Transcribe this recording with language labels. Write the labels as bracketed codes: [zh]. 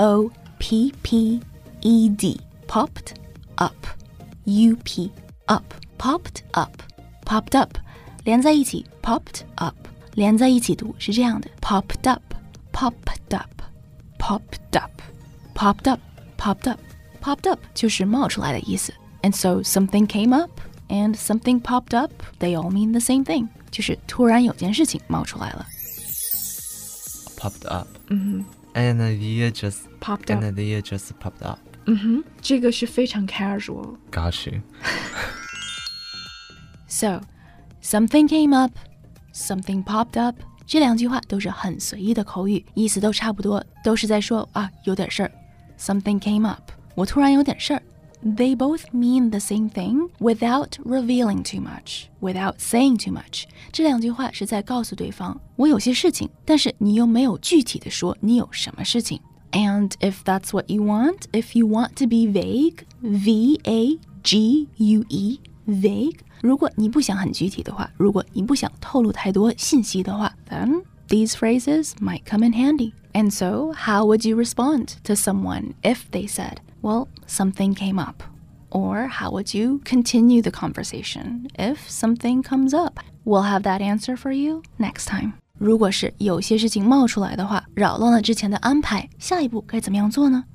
[zh] P-O-P-P-E-D popped up 连在一起 popped up 连在一起读是这样的 popped up 就是冒出来的意思 [en] And so something came up and something popped up, they all mean the same thing. [zh] 就是突然有件事情冒出来了。 [en] Popped up.、 Mm-hmm. An idea just popped up. An idea just popped up.、 [zh] Mm-hmm. 这个是非常 casual. [en] Got you. So, something came up, something popped up. [zh] 这两句话都是很随意的口语，意思都差不多，都是在说啊，有点事儿。 [en] Something came up. [zh] 我突然有点事儿。 [en] They both mean the same thing without revealing too much, without saying too much. [zh] 这两句话是在告诉对方，我有些事情，但是你又没有具体的说你有什么事情。 [en] And if that's what you want, if you want to be vague, V-A-G-U-E, vague, [zh] 如果你不想很具体的话，如果你不想透露太多信息的话 [en] then these phrases might come in handy. And so, how would you respond to someone if they said, well, something came up? Or how would you continue the conversation if something comes up? We'll have that answer for you next time. [zh] 如果是有些事情冒出来的话，扰乱了之前的安排，下一步该怎么样做呢？